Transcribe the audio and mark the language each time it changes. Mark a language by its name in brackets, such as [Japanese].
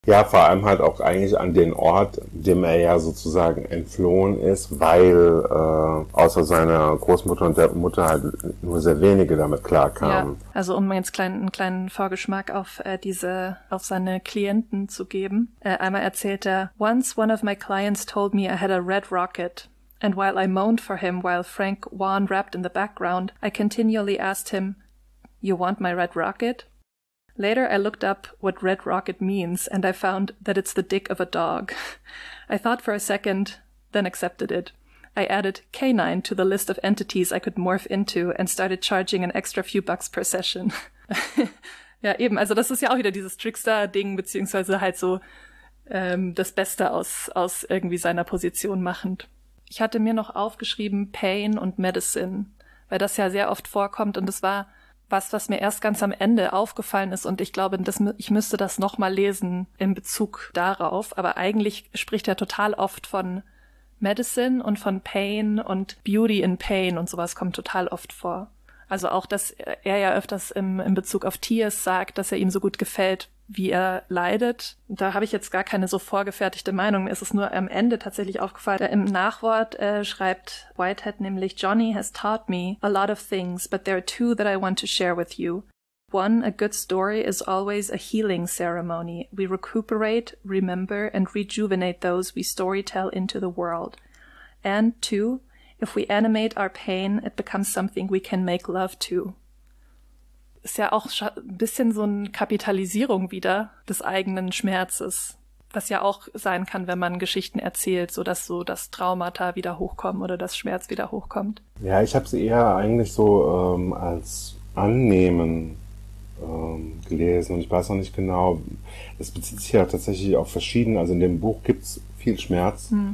[German] Ja, vor allem halt auch eigentlich an den Ort, dem er ja sozusagen entflohen ist, weil außer seiner Großmutter und der Mutter halt nur sehr wenige damit klarkamen. Ja, also um jetzt einen kleinen Vorgeschmack auf seine Klienten zu geben. Einmal erzählt er, [English] "Once one of my clients told me I had a red rocket. And while I moaned for him while Frank Wan rapped in the background, I continually asked him, 'You want my red rocket?' Later, I looked up what red rocket means, and I found that it's the dick of a dog. I thought for a second, then accepted it. I added canine to the list of entities I could morph into and started charging an extra few bucks per session." [German] Ja, eben. Also das ist ja auch wieder dieses Trickster-Ding, beziehungsweise halt so das Beste aus irgendwie seiner Position machend. Ich hatte mir noch aufgeschrieben Pain und Medicine, weil das ja sehr oft vorkommt und das war was mir erst ganz am Ende aufgefallen ist und ich glaube, ich müsste das nochmal lesen in Bezug darauf, aber eigentlich spricht er total oft von Medicine und von Pain und Beauty in Pain und sowas kommt total oft vor. Also auch, dass er ja öfters in Bezug auf Tears sagt, dass er ihm so gut gefällt, wie er leidet. Da habe ich jetzt gar keine so vorgefertigte Meinung. Mir ist es nur am Ende tatsächlich aufgefallen. Im Nachwort schreibt Whitehead nämlich, [English] "Johnny has taught me a lot of things, but there are two that I want to share with you. One, a good story is always a healing ceremony. We recuperate, remember, and rejuvenate those we storytell into the world. And two, if we animate our pain, it becomes something we can make love to." [German] ist ja auch ein bisschen so eine Kapitalisierung wieder des eigenen Schmerzes, was ja auch sein kann, wenn man Geschichten erzählt, sodass so das Traumata wieder hochkommen oder das Schmerz wieder hochkommt. Ja, ich habe sie eher eigentlich so als Annehmen gelesen und ich weiß noch nicht genau, es bezieht sich ja tatsächlich auf verschiedene, also in dem Buch gibt es viel Schmerz.